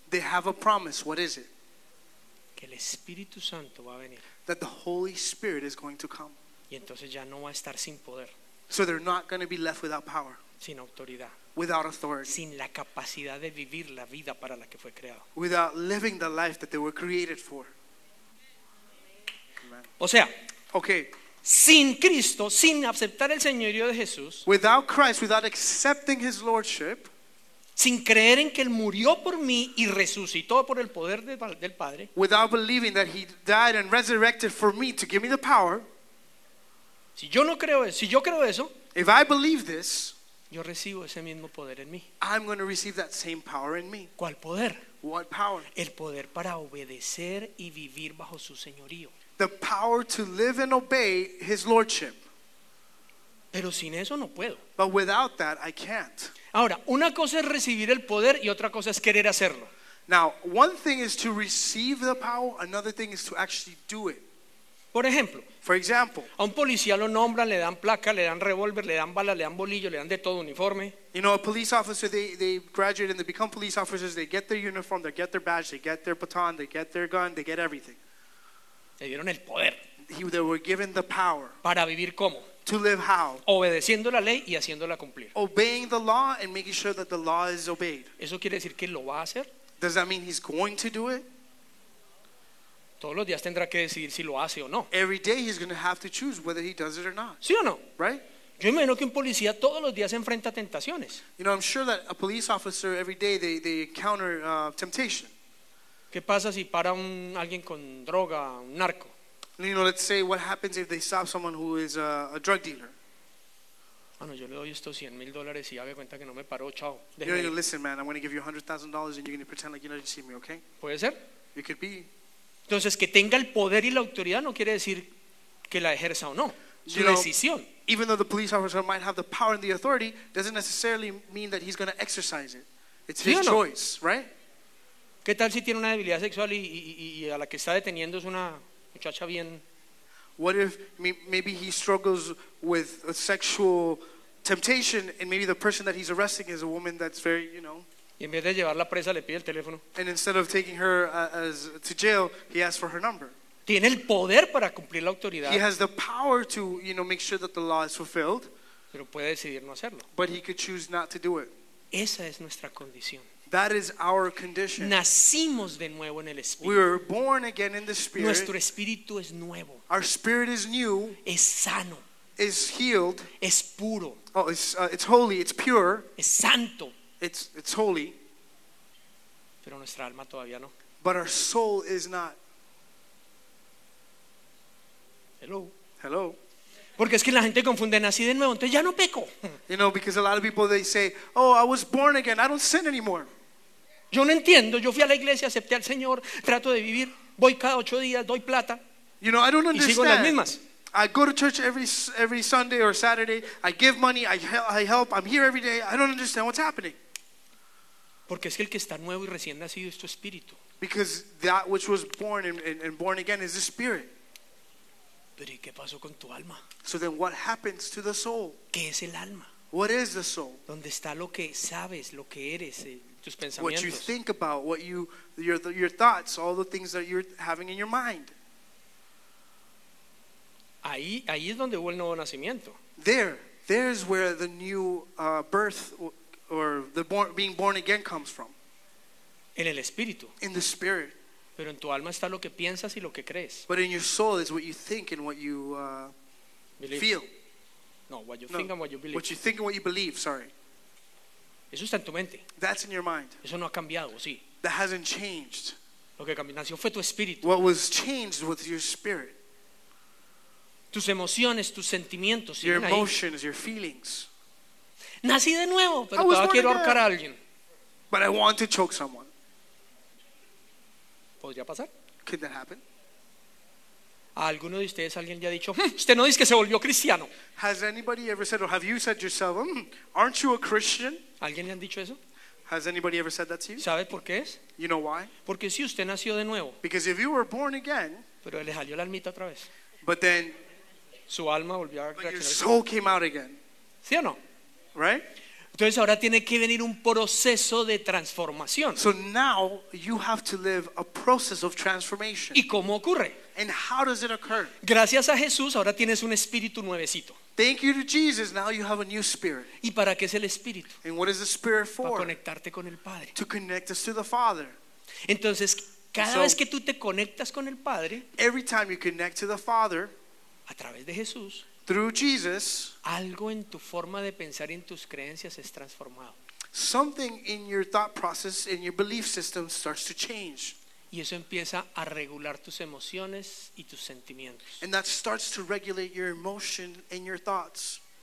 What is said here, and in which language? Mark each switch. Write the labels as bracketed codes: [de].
[en] They have a promise, what is it? [es] Que el Espíritu Santo va a venir. [en] That the Holy Spirit is going to come. [es] Y entonces ya no va a estar sin poder. [en] So they're not going to be left without power. [es] Sin autoridad. [en] Without authority. [es] Sin la capacidad de vivir la vida para la que fue creado. [en] Without living the life that they were created for. Amen. [es] O sea, [en] okay. [es] Sin Cristo, sin aceptar el Señorío de Jesús. [en] Without Christ, without accepting his lordship. [es] Sin creer en que él murió por mí y resucitó por el poder del Padre. [en] Without believing that he died and resurrected for me to give me the power. [es] Si yo no creo eso, si yo creo eso, [en] if I believe this, [es] yo recibo ese mismo poder en mí. [en] I'm going to receive that same power in me. [es] ¿Cuál poder? [en] What power? [es] El poder para obedecer y vivir bajo su señorío. [en] The power to live and obey his lordship. [es] Pero sin eso no puedo. [en] But without that I can't. [es] Ahora, una cosa es recibir el poder y otra cosa es querer hacerlo. [en] Now, one thing is to receive the power, another thing is to actually do it. [es] Por ejemplo, [en] for example, [es] a un policía lo nombran, le dan placa, le dan revólver, le dan bala, le dan bolillo, le dan de todo, uniforme. [en] You know, a police officer, they graduate and they become police officers, they get their uniform, they get their badge, they get their baton, they get their gun, they get everything. [es] Le dieron el poder. [en] They were given the power. [es] ¿Para vivir cómo? [en] To live how? [es] Obedeciendo la ley y haciéndola cumplir. [en] Obeying the law and making sure that the law is obeyed. [es] ¿Eso quiere decir que lo va a hacer? [en] Does that mean he's going to do it? [es] Todos los días tendrá que decidir si lo hace o no. [en] Every day he's going to have to choose whether he does it or not. [es] ¿Sí o no? [en] Right? [es] Yo imagino que un policía todos los días enfrenta tentaciones. [en] You know, I'm sure that a police officer every day they encounter temptation. [es] ¿Qué pasa si para alguien con droga, un narco? [en] You know, let's say what happens if they stop someone who is a drug dealer. [es] Bueno, yo le doy estos 100,000 dólares y haga cuenta que no me paró, chao. [en] You listen, man. I'm going to give you $100,000 and you're going to pretend like you didn't see me, okay? [es] Puede ser. [en] It could be. [es] Entonces, que tenga el poder y la autoridad no quiere decir que la ejerza o no. Su decisión. [en] Even though the police officer might have the power and the authority, doesn't necessarily mean that he's going to exercise it. It's his choice, right? [es] ¿Qué tal si tiene una debilidad sexual y a la que está deteniendo es una muchacha bien? [en] What if maybe he struggles with a sexual temptation and maybe the person that he's arresting is a woman that's very, you know. [es] Y en vez de llevarla presa le pide el teléfono. [en] And instead of taking her to jail, he asks for her number. [es] Tiene el poder para cumplir la autoridad. [en] He has the power to, you know, make sure that the law is fulfilled. [es] Pero puede decidir no hacerlo. [en] But he could choose not to do it. [es] Esa es nuestra condición. [en] That is our condition. [es] Nacimos de nuevo en el Espíritu. [en] We were born again in the Spirit. [es] Nuestro espíritu es nuevo. [en] Our spirit is new. [es] Es sano. [en] Is healed. [es] Es puro. [en] Oh, it's holy. It's pure. [es] Es santo. [en] It's holy. [es] pero nuestra alma todavía no. [en] But our soul is not. Hello. Hello. [es] Porque es que la gente confunde nací de nuevo, entonces ya no peco. [en] You know, because a lot of people, they say, oh, I was born again, I don't sin anymore. [es] Yo no entiendo, yo fui a la iglesia, acepté al Señor, trato de vivir, voy cada ocho días, doy plata. [en] You know, I don't understand. [es] Y sigo las mismas. [en] I go to church every Sunday or Saturday, I give money, I help, I'm here every day, I don't understand what's happening. [es] Porque es que el que está nuevo y recién nacido es tu espíritu. [en] Because that which was born and born again is the spirit. [es] Pero ¿y qué pasó con tu alma? [en] So then what happens to the soul? [es] ¿Qué es el alma? [en] What is the soul? [es] ¿Dónde está lo que sabes, lo que eres, tus pensamientos? [en] What you think about, what you your thoughts, all the things that you're having in your mind. [es] Ahí es donde hubo el nuevo nacimiento. [en] There is where the new birth or the born, being born again comes from. [es] En el espíritu. [en] In the spirit. [es] Pero en tu alma está lo que piensas y lo que crees. [en] But in your soul is what you think and what you believe. Feel. No, what you think and what you believe. What you think and what you believe, sorry. [es] Eso está en tu mente. [en] That's in your mind. [es] Eso no ha cambiado, sí. [en] That hasn't changed. [es] Lo que cambió fue tu espíritu. [en] What was changed was your spirit. [es] Tus emociones, tus sentimientos. [en] Your emotions, your feelings. [es] Nací de nuevo, pero todavía quiero ahorcar a alguien. [en] But I want to choke someone. [es] ¿Podría pasar? [en] Could that happen? [es] ¿A alguno de ustedes alguien ya ha dicho, usted no dice que se volvió cristiano? [en] Has anybody ever said, or have you said yourself, aren't you a Christian? [es] ¿Alguien le han dicho eso? [en] Has anybody ever said that to you? [es] ¿Sabe por qué es? [en] You know why? [es] Porque si usted nació de nuevo. [en] Because if you were born again. [es] Pero le salió la almita otra vez. [en] But then. [es] Su alma volvió a reaccionar. [en] But your soul came out again. [es] ¿Sí o no? [en] Right? [es] Entonces ahora tiene que venir un proceso de transformación. [en] So now you have to live a process of transformation. [es] ¿Y cómo ocurre? [en] And how does it occur? [es] Gracias a Jesús ahora tienes un espíritu nuevecito. [en] Thank you to Jesus, now you have a new spirit. [es] ¿Y para qué es el espíritu? [en] And what is the spirit for? [es] Para conectarte con el Padre. [en] To connect us to the Father. [es] Entonces, cada vez que tú te conectas con el Padre, [en] every time you connect to the Father, [es] a través de Jesús, [en] through Jesus, [es] algo en tu forma de pensar y en tus creencias es transformado. [en] Something in your thought process and your belief system starts to change. [es] Y eso empieza a regular tus emociones y tus sentimientos. [en] And that starts to regulate your emotion and your thoughts.